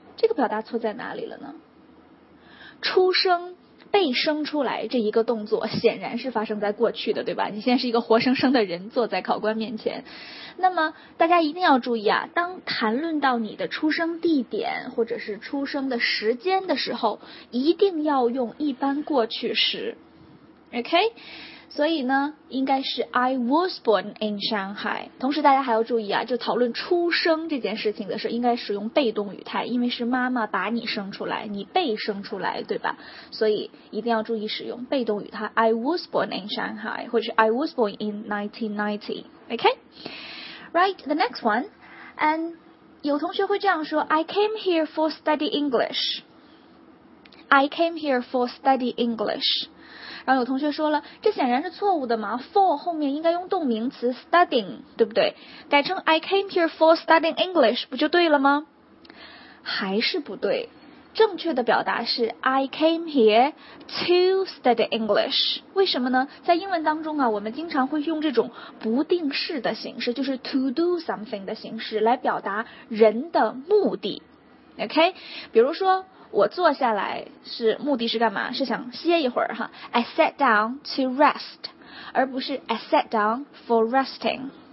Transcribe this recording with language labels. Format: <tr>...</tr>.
<zh>这个表达错在哪里了呢？出生被生出来这一个动作显然是发生在过去的，对吧？你现在是一个活生生的人坐在考官面前。那么大家一定要注意啊，当谈论到你的出生地点或者是出生的时间的时候，一定要用一般过去时， OK。所以呢应该是</zh> <en>I was born in Shanghai。</en> <zh>同时大家还要注意啊，就讨论出生这件事情的时候应该使用被动语态，因为是妈妈把你生出来，你被生出来，对吧？所以一定要注意使用被动语态，</zh> <en>I was born in Shanghai</en> <zh>或者是</zh> <en>I was born in 1990， OK。 Right, the next one. And</en> <zh>有同学会这样说，</zh> <en>I came here for study English. I came here for study English.</en> <zh>然后有同学说了，这显然是错误的嘛， for 后面应该用动名词 studying， 对不对？改成</zh> <en>I came here for studying English</en> <zh>不就对了吗？还是不对。正确的表达是</zh> <en>I came here to study English。</en> <zh>为什么呢？在英文当中啊，我们经常会用这种不定式的形式，就是</zh> <en>to do something</en> <zh>的形式来表达人的目的， OK。比如说我坐下来是目的是干嘛，是想歇一会儿哈，</zh> <en>I sat down to rest，</en> <zh>而不是</zh> <en>I sat down for resting。</en>